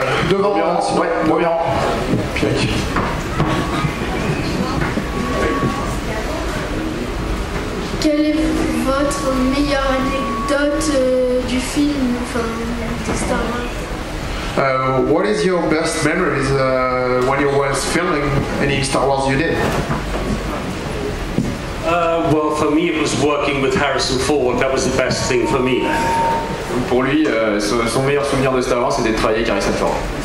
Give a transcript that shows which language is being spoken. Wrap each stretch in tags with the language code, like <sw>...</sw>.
<fr>Devant. Bien, sinon, ouais, bon bien. Quelle est votre meilleure anecdote du film, enfin, de Star Wars?</fr> <en>What is your best memories when you were filming any Star Wars you did? Well, for me, it was working with Harrison Ford. That was the best thing for me.</en> <fr>Pour lui, son meilleur souvenir de Star Wars, c'était de travailler avec Harrison Ford.</fr>